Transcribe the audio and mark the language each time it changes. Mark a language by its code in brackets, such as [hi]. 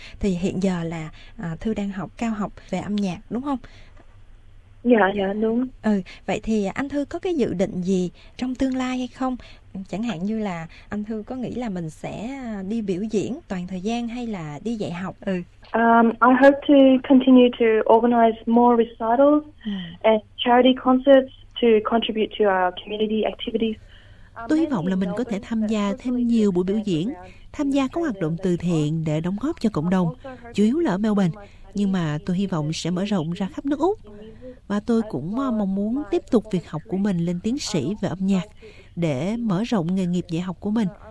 [vi] Thì hiện giờ là Thư đang học cao học về âm nhạc đúng không? Dạ, đúng. Vậy thì anh Thư có cái dự định gì trong tương lai hay không? Chẳng hạn như là anh Thư có nghĩ là mình sẽ đi biểu diễn toàn thời gian hay là đi dạy học? [en] I hope to continue to organize more recitals and charity concerts to contribute to our community activities. [vi] Tôi hy vọng là mình có thể tham gia thêm nhiều buổi biểu diễn, tham gia các hoạt động từ thiện để đóng góp cho cộng đồng, chủ yếu là ở Melbourne. Nhưng mà tôi hy vọng sẽ mở rộng ra khắp nước Úc. Và tôi cũng mong muốn tiếp tục việc học của mình lên tiến sĩ về âm nhạc để mở rộng nghề nghiệp dạy học của mình.